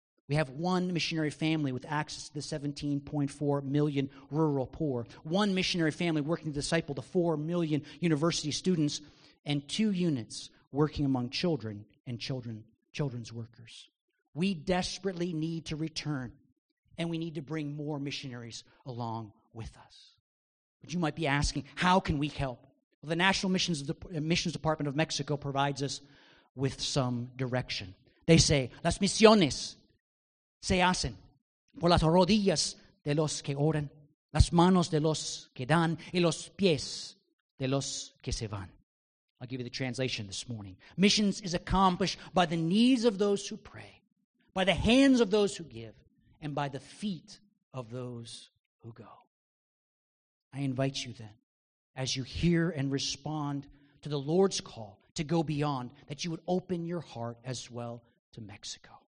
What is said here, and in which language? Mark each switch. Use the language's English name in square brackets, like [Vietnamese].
[English] We have one missionary family with access to the 17.4 million rural poor, one missionary family working to disciple the 4 million university students, and two units working among children and children's workers. We desperately need to return, and we need to bring more missionaries along with us. But you might be asking, how can we help? Well, the National Missions Department of Mexico provides us with some direction. [Spanish] They say, las misiones se hacen por las rodillas de los que oran, las manos de los que dan, y los pies de los que se van. [English] I'll give you the translation this morning. Missions is accomplished by the knees of those who pray, by the hands of those who give, and by the feet of those who go. I invite you then, as you hear and respond to the Lord's call to go beyond, that you would open your heart as well to Mexico.